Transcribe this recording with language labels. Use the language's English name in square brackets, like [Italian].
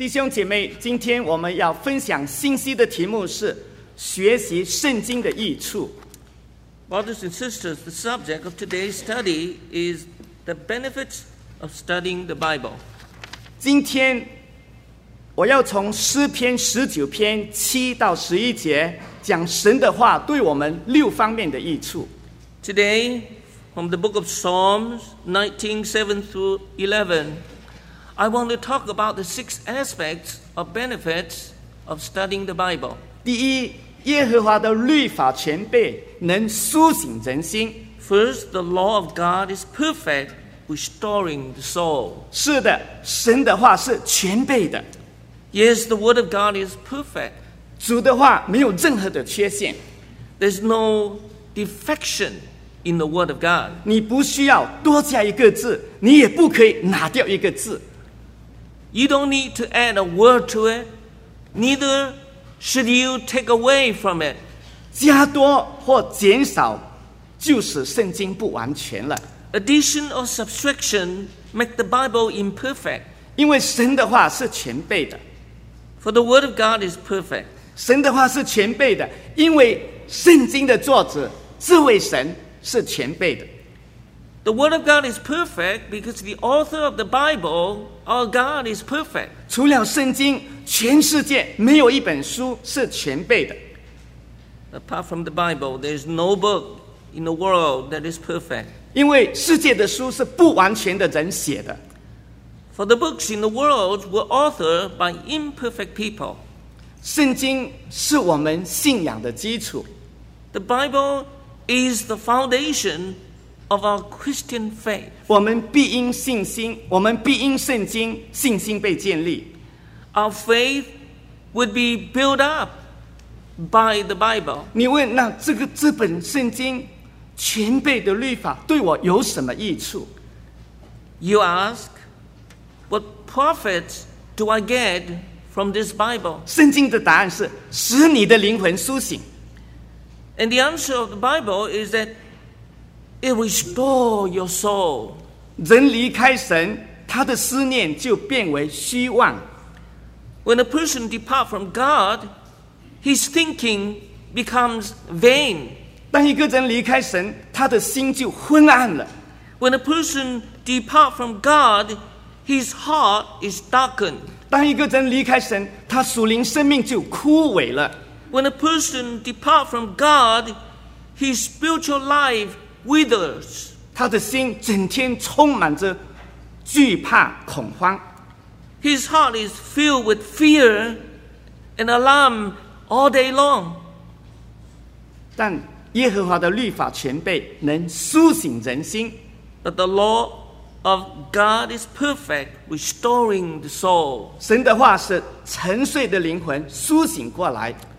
[Chinese] 姐妹，今天我们要分享信息的题目是学习圣经的益处。 [English] Brothers and sisters, the subject of today's study is the benefits of studying the Bible. [Chinese] 今天我要从诗篇十九篇七到十一节讲神的话对我们六方面的益处。 [English] Today, from the book of Psalms 19:7-11,I want to talk about the six aspects or benefits of studying the Bible. [Chinese] 第一，耶和华的律法全备，能苏醒人心。 [English] First, the law of God is perfect, restoring the soul. [Chinese] 是的，神的话是全备的。 [English] Yes, the word of God is perfect. [Chinese] 主的话没有任何的缺陷。 [English] There's no defection in the word of God. [Chinese] 你不需要多加一个字，你也不可以拿掉一个字。 [English] You don't need to add a word to it, neither should you take away from it. [Chinese] 加多或减少就使圣经不完全了。 [English] Addition or subtraction make the Bible imperfect. [Chinese] 因为神的话是全备的。 [English] For the word of God is perfect. [Chinese] 神的话是全备的，因为圣经的作者智慧神是全备的。 [English] The word of God is perfect because the author of the Bible, our God, is perfect. [Chinese] 除了圣经，全世界没有一本书是全备的。 [English] Apart from the Bible, there is no book in the world that is perfect. [Chinese] 因为世界的书是不完全的人写的。 [English] For the books in the world were authored by imperfect people. [Chinese] 圣经是我们信仰的基础。 [English] The Bible is the foundation of our Christian faith. [Chinese] 我们必因信心，我们必因圣经，信心被建立。 [English] Our faith would be built up by the Bible. [Chinese] 你问那这个这本圣经全备的律法对我有什么益处？ [English] You ask, what profit do I get from this Bible? [Chinese] 圣经的答案是使你的灵魂苏醒。 [English] And the answer of the Bible is that it restores your soul. [Chinese] 人离开神，他的思念就变为虚妄。 [English] When a person departs from God, his thinking becomes vain. [Chinese] 当一个人离开神，他的心就昏暗了。 [English] When a person departs from God, his heart is darkened. [Chinese] 当一个人离开神，他属灵生命就枯萎了。 [English] When a person departs from God, his spiritual life withers. [Chinese] 他的心整天充满着惧怕恐慌。 [English] His heart is filled with fear and alarm all day long. [Chinese] 但耶和华的律法全备，能苏醒人心。 [English] But the law of God is perfect, restoring the soul. [Chinese] 神的话是沉睡的灵魂苏醒过来。